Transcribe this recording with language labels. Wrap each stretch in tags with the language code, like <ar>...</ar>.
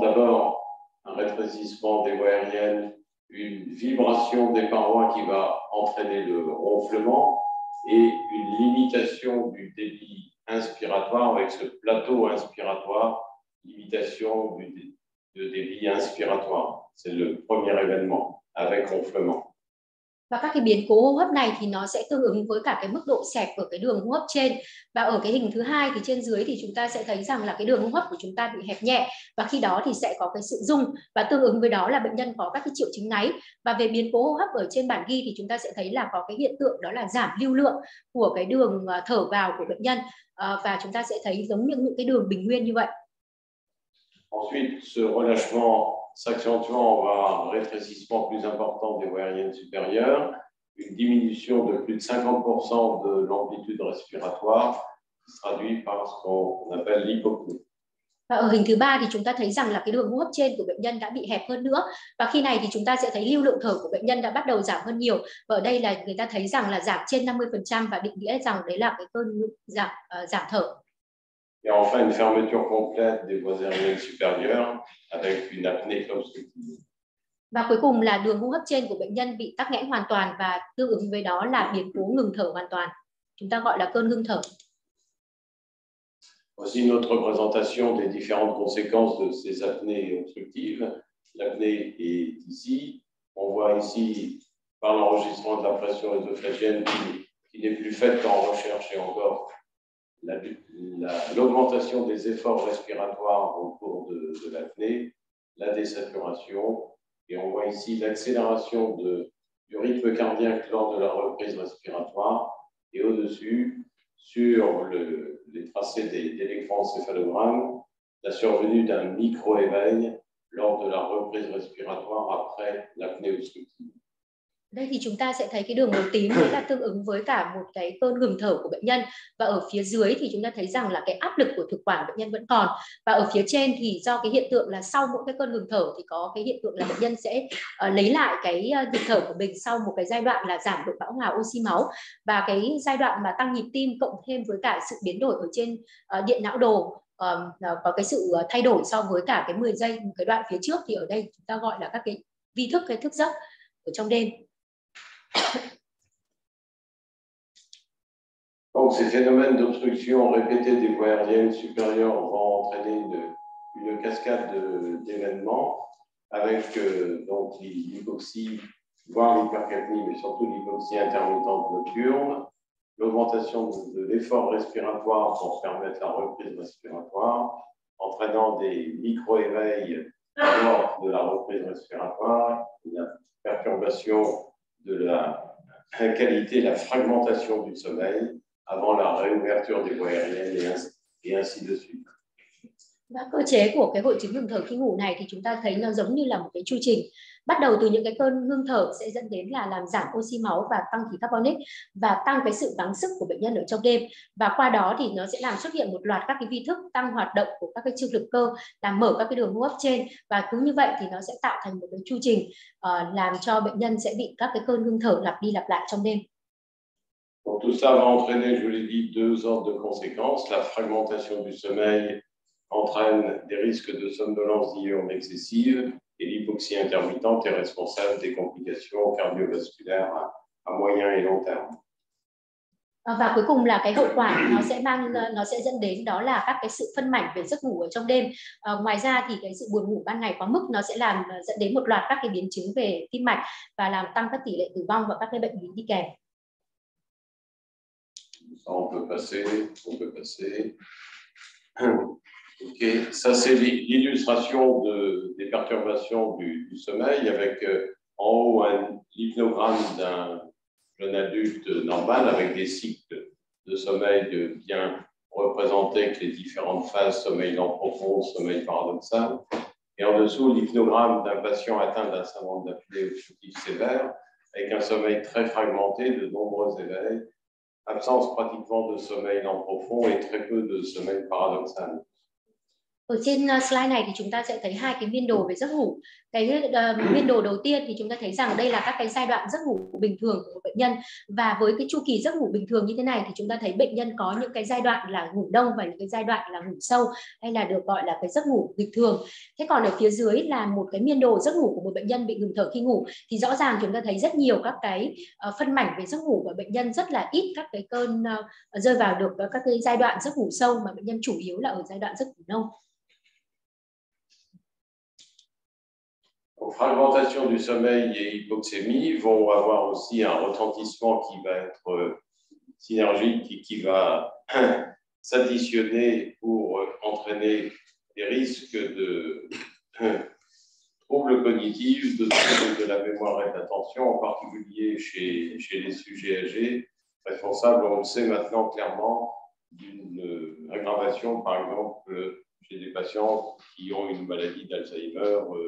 <fr>D'abord, un rétrécissement des voies aériennes, une vibration des parois qui va entraîner le ronflement et une limitation du débit inspiratoire avec ce plateau inspiratoire, limitation de débit inspiratoire. C'est le premier événement avec ronflement.</fr> <vi>Và các cái biến cố hô hấp này thì nó sẽ tương ứng với cả cái mức độ xẹp ở cái đường hô hấp trên. Và ở cái hình thứ hai thì trên dưới thì chúng ta sẽ thấy rằng là cái đường hô hấp của chúng ta bị hẹp nhẹ và khi đó thì sẽ có cái sự rung và tương ứng với đó là bệnh nhân có các cái triệu chứng ngáy. Và về biến cố hô hấp ở trên bản ghi thì chúng ta sẽ thấy là có cái hiện tượng đó là giảm lưu lượng của cái đường thở vào của bệnh nhân và chúng ta sẽ thấy giống như những cái đường bình nguyên như vậy.</vi> <fr>Ensuite, ce relâchement s'accentuant, on va avoir un rétrécissement plus important des voies aériennes supérieures, une diminution de plus de 50% de l'amplitude respiratoire, qui se traduit par ce qu'on appelle l'hypopnée.</fr> <vi>Và ở hình thứ ba thì chúng ta thấy rằng là cái đường hô hấp trên của bệnh nhân đã bị hẹp hơn nữa và khi này thì chúng ta sẽ thấy lưu lượng thở của bệnh nhân đã bắt đầu giảm hơn nhiều và ở đây là người ta thấy rằng là giảm trên 50% và định nghĩa rằng đấy là cái cơn giảm thở.</vi> <fr>Et enfin, une fermeture complète des voies aériennes supérieures avec une apnée obstructive.</fr> <vi>Và cuối cùng là đường hô hấp trên của bệnh nhân bị tắc nghẽn hoàn toàn và tương ứng với đó là biến cố ngừng thở hoàn toàn. Chúng ta gọi là cơn ngưng thở.</vi> <fr>Voici notre présentation des différentes conséquences de ces apnées obstructives. L'apnée est ici. On voit ici, par l'enregistrement de la pression œsophagienne qui n'est plus faite en recherche et encore, l'augmentation des efforts respiratoires au cours de l'apnée, la désaturation, et on voit ici l'accélération du rythme cardiaque lors de la reprise respiratoire, et au-dessus, sur les tracés des électroencéphalogrammes, la survenue d'un micro-éveil lors de la reprise respiratoire après l'apnée obstructive.</fr> <vi>Đây thì chúng ta sẽ thấy cái đường màu tím đấy là tương ứng với cả một cái cơn ngừng thở của bệnh nhân, và ở phía dưới thì chúng ta thấy rằng là cái áp lực của thực quản bệnh nhân vẫn còn, và ở phía trên thì do cái hiện tượng là sau mỗi cái cơn ngừng thở thì có cái hiện tượng là bệnh nhân sẽ lấy lại cái nhịp thở của mình sau một cái giai đoạn là giảm độ bão hòa oxy máu, và cái giai đoạn mà tăng nhịp tim cộng thêm với cả sự biến đổi ở trên điện não đồ có cái sự thay đổi so với cả cái 10 giây một cái đoạn phía trước, thì ở đây chúng ta gọi là các cái vi thức, cái thức giấc ở trong đêm.</vi> <fr>Donc ces phénomènes d'obstruction répétée des voies aériennes supérieures vont entraîner une cascade d'événements avec donc l'hypoxie, voire l'hypercapnie, mais surtout l'hypoxie intermittente nocturne, l'augmentation de l'effort respiratoire pour permettre la reprise respiratoire, entraînant des micro-éveils lors de la reprise respiratoire, la perturbation de la qualité, la fragmentation du sommeil avant la réouverture des voies aériennes et ainsi de suite.</fr> <vi>Và cơ chế của cái hội chứng ngừng thở khi ngủ này thì chúng ta thấy nó giống như là một cái chu trình. Bắt đầu từ những cái cơn ngưng thở sẽ dẫn đến là làm giảm oxy máu và tăng khí carbonic và tăng cái sự gắng sức của bệnh nhân ở trong đêm. Và qua đó thì nó sẽ làm xuất hiện một loạt các cái vi thức tăng hoạt động của các cái trương lực cơ, làm mở các cái đường hô hấp trên. Và cứ như vậy thì nó sẽ tạo thành một cái chu trình làm cho bệnh nhân sẽ bị các cái cơn ngưng thở lặp đi lặp lại trong đêm.</vi> <fr>Donc, tout ça va entraîner, je l'ai dit, deux ordres de conséquences. La fragmentation du sommeil entraîne des risques de somnolence diurne excessive. Et l'hypoxie intermittente est responsable des complications cardiovasculaires à moyen et long terme.</fr> <vi>Và cuối cùng là cái hậu quả nó sẽ dẫn đến đó là các cái sự phân mảnh về giấc ngủ ở trong đêm. Ngoài ra thì cái sự buồn ngủ ban ngày quá mức nó sẽ làm dẫn đến một loạt các cái biến chứng về tim mạch và làm tăng các tỷ lệ tử vong và các cái bệnh lý đi kèm.</vi> <fr>On peut passer. Ok, ça c'est l'illustration des perturbations du sommeil avec en haut un hypnogramme d'un jeune adulte normal avec des cycles de sommeil bien représentés avec les différentes phases, sommeil lent profond, sommeil paradoxal. Et en dessous, l'hypnogramme d'un patient atteint d'un syndrome d'apnée obstructive sévère avec un sommeil très fragmenté, de nombreux éveils, absence pratiquement de sommeil lent profond et très peu de sommeil paradoxal.</fr> <vi>Ở trên slide này thì chúng ta sẽ thấy hai cái biên đồ về giấc ngủ. Cái biên đồ đầu tiên thì chúng ta thấy rằng đây là các cái giai đoạn giấc ngủ bình thường của bệnh nhân, và với cái chu kỳ giấc ngủ bình thường như thế này thì chúng ta thấy bệnh nhân có những cái giai đoạn là ngủ đông và những cái giai đoạn là ngủ sâu, hay là được gọi là cái giấc ngủ bình thường. Thế còn ở phía dưới là một cái biên đồ giấc ngủ của một bệnh nhân bị ngừng thở khi ngủ, thì rõ ràng chúng ta thấy rất nhiều các cái phân mảnh về giấc ngủ của bệnh nhân, rất là ít các cái cơn rơi vào được các cái giai đoạn giấc ngủ sâu, mà bệnh nhân chủ yếu là ở giai đoạn giấc ngủ đông.</vi> <fr>Fragmentation du sommeil et hypoxémie vont avoir aussi un retentissement qui va être synergique et qui va s'additionner pour entraîner des risques de troubles cognitifs, de troubles de la mémoire et d'attention, en particulier chez les sujets âgés, responsables, on le sait maintenant clairement, d'une aggravation, par exemple, chez des patients qui ont une maladie d'Alzheimer.</fr>